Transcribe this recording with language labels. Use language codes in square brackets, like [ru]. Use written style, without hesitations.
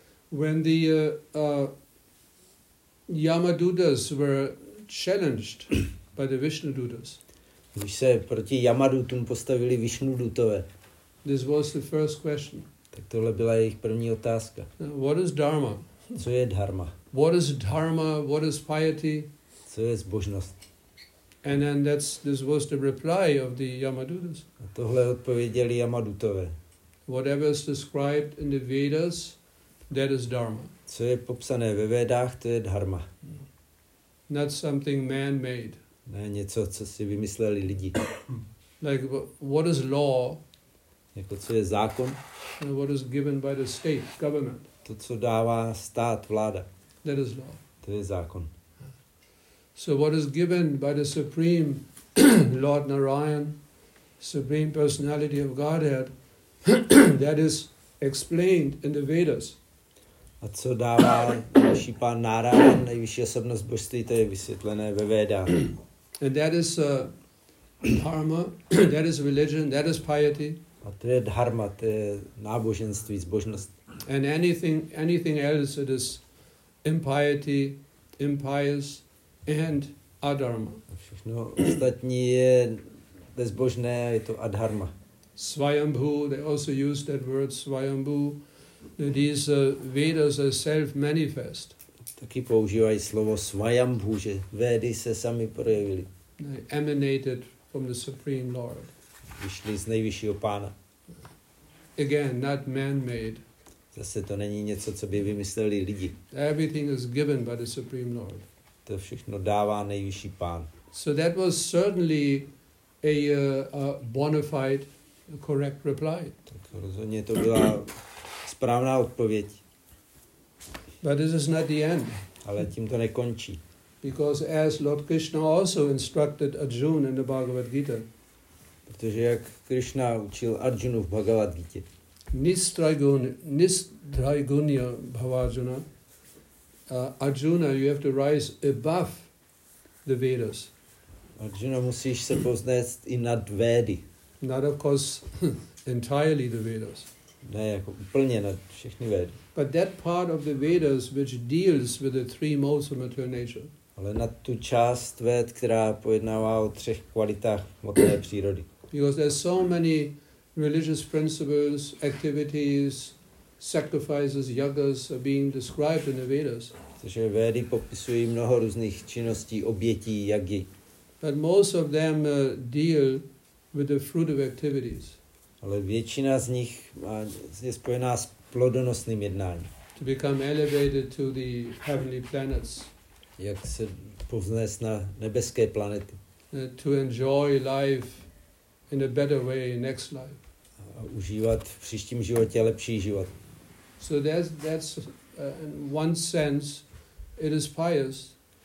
[en] When the Yamadutas were challenged by the Vishnu Dutas. [cs] Když se proti Yamadutům postavili Vishnu Dutové. [en] This was the first question. [cs] Tak tohle byla jejich první otázka. [en] What is dharma? [cs] Co je dharma? [en] What is dharma? What is piety? [cs] Co je zbožnost? [en] And then this was the reply of the Yamadutas. [cs] A tohle odpověděli Yamadutové. [en] Whatever is described in the Vedas, that is dharma. [cs] Co je popsané ve Vedách, to je dharma. [en] Not something man-made. [cs] Ne něco, co si vymysleli lidi. [en] Like what is law? [cs] Jako co je zákon? [en] And what is given by the state, government? [cs] To, co dává stát, vláda. [en] That is law. [cs] To je zákon. [en] So what is given by the supreme Lord Narayan, supreme personality of Godhead, that is explained in the Vedas. [cs] A co dává naši pán Narayan, nejvyšší osobnost božství, to je vysvětlené ve Vedách. [en] And that is dharma, that is religion, that is piety. [cs] A to je dharma, to je náboženství, zbožnost. [en] And anything else, it is impiety, impious, and adharma. [cs] Všechno ostatní je bezbožné, je to adharma. [en] Svayambhu, they also use that word svayambhu. These Vedas are self-manifest. [cs] Taky používají slovo svayambhu, že Vedy se sami projevily. [en] They emanated from the Supreme Lord. [cs] Vyšli z nejvyššího pána. [en] Again, not man-made. [cs] Zase to není něco, co by vymysleli lidi. [en] Everything is given by the Supreme Lord. [cs] To všechno dává nejvyšší pán. [en] So that was certainly a bona fide, a correct reply. [cs] Tak rozhodně to byla správná odpověď. [en] But this is not the end. [cs] Ale tím to nekončí. [en] Because as Lord Krishna also instructed Arjuna in the Bhagavad Gita. [cs] Protože jak Krishna učil Arjunu v Bhagavad Gita. [sa] Nistraigunya Bhavarjuna. [en] Arjuna, you have to rise above the Vedas. [cs] Arjuna, musíš se povznést i nad Vedy. [en] Not, of course, entirely the Vedas. [cs] Ne, jako úplně nad všechny Vedy. [en] But that part of the Vedas which deals with the three modes of material nature. [cs] Ale na tu část Ved, která pojednává o třech kvalitách hmotné přírody. [en] Because there's so many religious principles, activities, sacrifices, yagas are being described in the Vedas. [cs] Takže Vedy popisují mnoho různých činností, obětí, jagy. [en] But most of them deal with the fruitive activities. [cs] Ale většina z nich je spojená s plodonosným jednáním. [en] To become elevated to the heavenly planets. [cs] Jak se povznést na nebeské planety. [en] To enjoy life in a better way next life. [cs] A užívat v příštím životě lepší život. [en] So that's in one sense it is pious.